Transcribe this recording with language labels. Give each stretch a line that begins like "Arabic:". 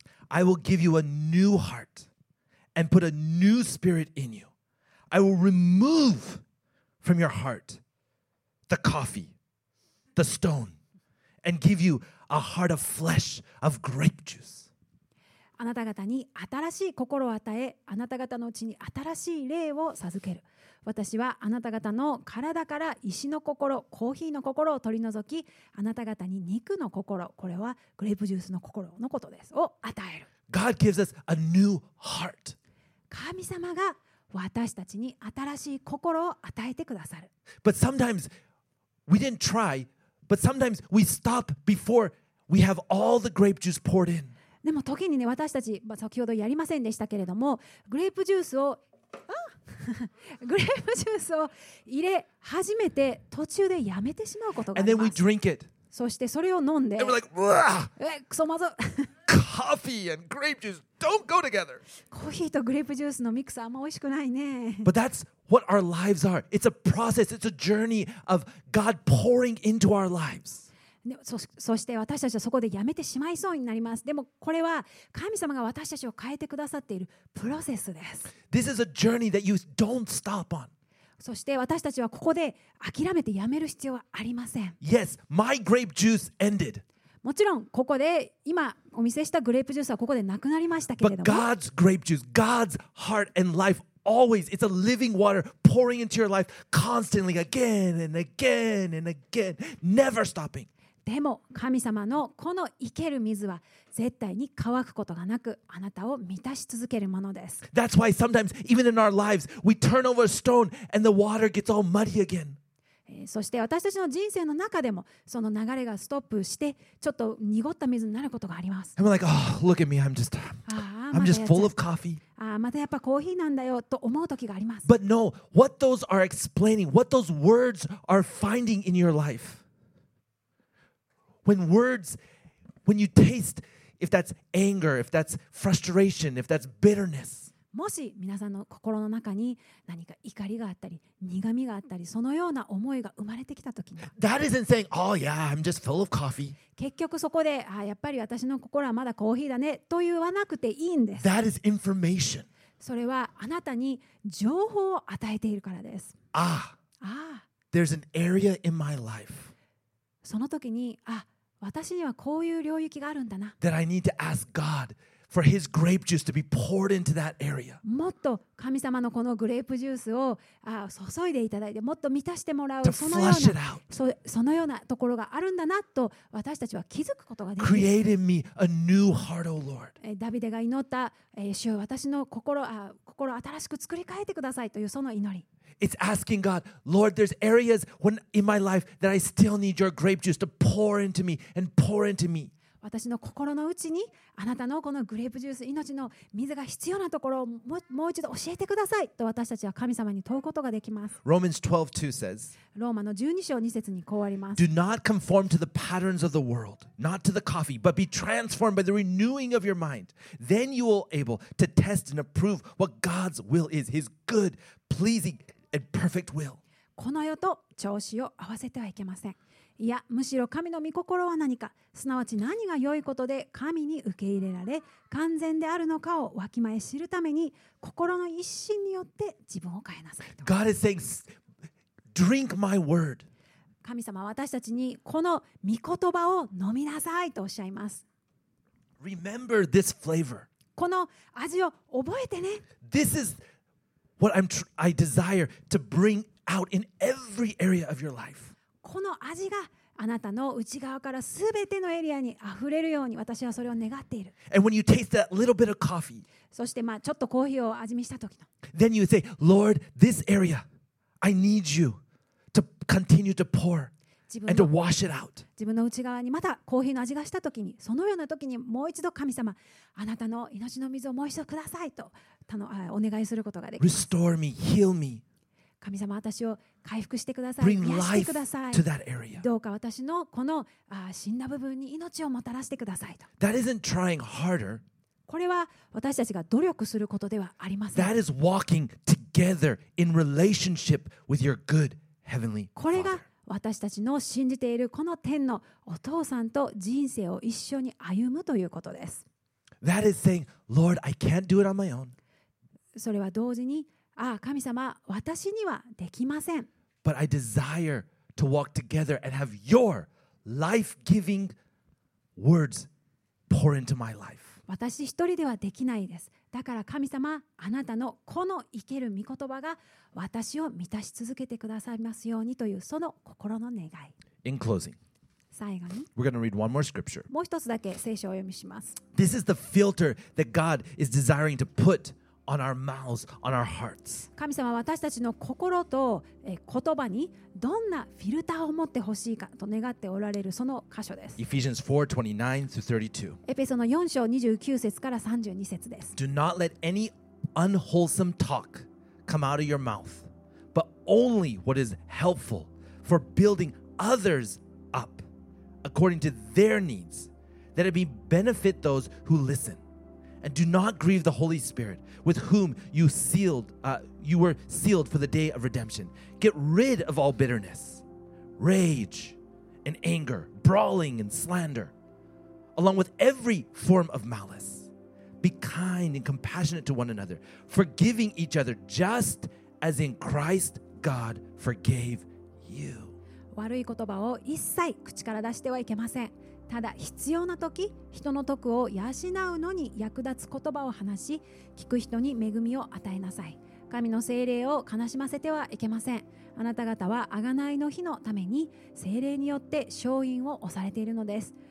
English: I will give you a new heart and put a new spirit in you. I will remove from your heart the coffee, the stone, and give you a heart of flesh of grape juice.
Japanese: あなた方に新しい心を与え、あなた方のうちに新しい霊を授ける。私はあなた方の体から石の心、コーヒーの心を取り除き、あなた方に肉の心、これはグレープジュースの心のことです、を与える。
English: God gives us a new heart.
Japanese: 神様が私たちに新しい心を与えてくださる。
English: But sometimes we didn't try, but sometimes we stop before we have all the grape juice poured in.
Japanese: でも時にね私たち先ほどやりませんでしたけれどもグレープジュースをグレープジュースを入れ始めて途中でやめてしまうことがあります。
English: And then we drink it.
Japanese: そしてそれを飲んで
English: And we're like, wah!
Japanese: くそまず
English: Coffee and grape juice don't go together.
Japanese: コーヒーとグレープジュースのミックスあんま美味しくないね。
English: But that's what our lives are. It's a process. It's a journey of God pouring into our lives.
Japanese: そして私たちはそこでやめてしまいそうになります。でもこれは神様が私たちを変えてくださっているプロセスです。
English: This is a journey that you don't stop on.
Japanese: そして私たちはここで諦めてやめる必要はありません。
English: Yes, my grape juice ended.
Japanese: もちろんここで今お見せしたグレープジュースはここでなくなりましたけれども。
English: But God's grape juice, God's heart and life always, it's a living water pouring into your life constantly, again and again and again, never stopping.
Japanese: でも神様のこの生ける水は絶対に乾くことがなくあなたを満たし続けるものです。
English: That's why sometimes even in our lives we turn over a stone and the water gets all muddy again.
Japanese: そして私たちの人生の中でもその流れがストップしてちょっと濁った水になることがあります。
English: I'm like, oh, look at me, I'm just full of coffee.
Japanese: ああ、またやっぱコーヒーなんだよと思う時があります。
English: But no, what those are explaining, what those words are finding in your life. When words, when you taste, if that's anger, if that's frustration, if that's bitterness,
Japanese: もし皆さんの心の中に何か怒りがあったり苦味があったりそのような思いが生まれてきたときに、
English: that isn't saying, oh yeah, I'm just full of coffee.
Japanese: 結局そこで、やっぱり私の心はまだコーヒーだねと言わなくていいんです。
English: That is information.
Japanese: それはあなたに情報を与えているからです。
English: Ah, there's an area in my life.
Japanese: その時に、あ、私にはこういう領域があるんだな。
English: That I need to ask God for His grape juice to be poured into that area.
Japanese: もっと神様のこのグレープジュースを、注いでいただいて、もっと満たしてもらう、そのような、そのようなところがあるんだなと私たちは気づくことができる。
English: Create in me a new heart, O Lord.
Japanese: ダビデが祈った、主よ、私の心を新しく作り変えてくださいというその祈り。
English: It's asking God, Lord, there's areas when in my life that I still need your grape juice to pour into me and pour into me.
Japanese: 私の心の内にあなたのこのグレープジュース命の水が必要なところをもう一度教えてくださいと私たちは神様に問うことができます。
English: Romans 12:2 says,
Japanese: ローマの12章2節にこうあります。
English: Do not conform to the patterns of the world, not to the coffee, but be transformed by the renewing of your mind. Then you will able to test and approve what God's will is, His good, pleasing. And perfect will.
Japanese: この世と調子を合わせてはいけません。いや、むしろ神の御心は何か、すなわち何が良いことで神に受け入れられ、完全であるのかをわきまえ知るために、心の一心によって自分を変えなさいと。
English: God is saying, drink my word.
Japanese: 神様は私たちにこの御言葉を飲みなさいとおっしゃいます。
English: Remember this flavor.
Japanese: この味を覚えてね。
English: This is... What I desire to bring out in every area of your life.
Japanese: この味があなたの内側からすべてのエリアに溢れるように私はそれを願っている。
English: And when you taste that little bit of coffee,
Japanese: そしてちょっとコーヒーを味見した時の、
English: then you say, Lord, this area, I need you to continue to pour and to wash it out.
Japanese: 自分の内側にまたコーヒーの味がした時に、そのような時にもう一度神様、あなたの命の水をもう一度くださいと。お願いすることができます。
English: Restore me, heal me.
Japanese: 神様、私を回復してください。
English: Bring life
Japanese: 癒してください。
English: To that area.
Japanese: どうか私のこの死んだ部分に命をもたらしてくださいと。
English: That isn't trying harder.
Japanese: これは私たちが努力することではありません。
English: That is walking together in relationship with your good heavenly Father.
Japanese: これが私たちの信じているこの天のお父さんと人生を一緒に歩むということです。
English: That is saying, Lord, I can't do it on my own.
Japanese: それは同時に、ああ、神様、私にはできません。
English: But I desire to walk together and have your life-giving words pour into my life.
Japanese: 私一人ではできないです。だから神様、あなたのこの生ける御言葉が私を満たし続けてくださいますようにというその心の願い。
English: In closing,
Japanese: 最後に、
English: we're going to read one more scripture.
Japanese: もう一つだけ聖書を読みします。
English: This is the filter that God is desiring to put on our mouths, on our hearts.
Japanese: 神様、私たちの心と言葉にどんなフィルターを持ってほしいかと願っておられるその箇所です。
English: Ephesians 4:29-32.
Japanese: エペソの4章29節から32節です。
English: Do not let any unwholesome talk come out of your mouth, but only what is helpful for building others up according to their needs, that it may benefit those who listen. And do not grieve the Holy Spirit, with whom you sealed, you were sealed for the day of redemption. Get rid of all bitterness, rage, and anger, brawling and slander, along with every form of malice. Be kind and compassionate to one another, forgiving each other, just as in Christ God forgave you.
Japanese: 悪い言葉を一切口から出してはいけません。ただ必要な時、人の徳を養うのに役立つ言葉を話し、聞く人に恵みを与えなさい。神の聖霊を悲しませてはいけません。あなた方は贖いの日のために聖霊によって勝因を押されているのです。